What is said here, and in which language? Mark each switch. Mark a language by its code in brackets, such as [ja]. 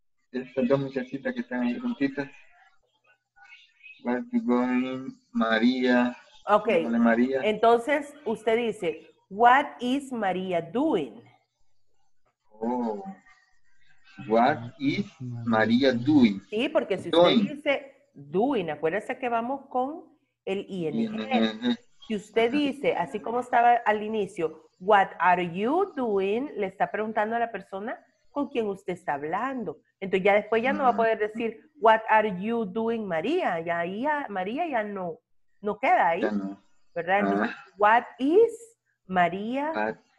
[es] Estas dos muchachitas que están ahí juntitas. [en] What are you doing? María. Ok. María. [es] Entonces, usted dice, [en] what is María doing? Oh. What is María doing? [es] Sí, porque si usted dice doing, acuérdese que vamos con el ING. Si usted dice, así como estaba al inicio, [en] what are you doing? [es] Le está preguntando a la persona con quien usted está hablando. Entonces ya después ya no va a poder decir, [en] what are you doing, [es] María? Ya ahí María ya no queda ahí. ¿Verdad? Entonces, [en] what is María doing?